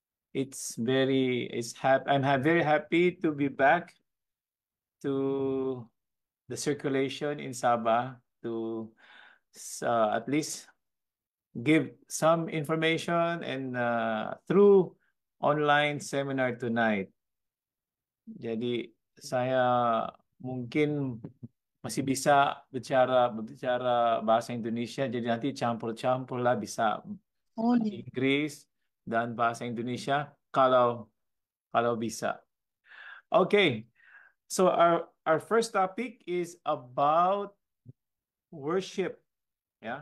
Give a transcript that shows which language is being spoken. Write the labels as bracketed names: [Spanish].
[English] I'm very happy to be back to the circulation in Sabah to at least give some information and through online seminar tonight. [Indonesian] Jadi saya mungkin masih bisa bicara bicara bahasa Indonesia, jadi nanti campur-campur lah, bisa Boleh. Inggris dan bahasa Indonesia kalau kalau bisa. [English] Okay, so our first topic is about worship, ya.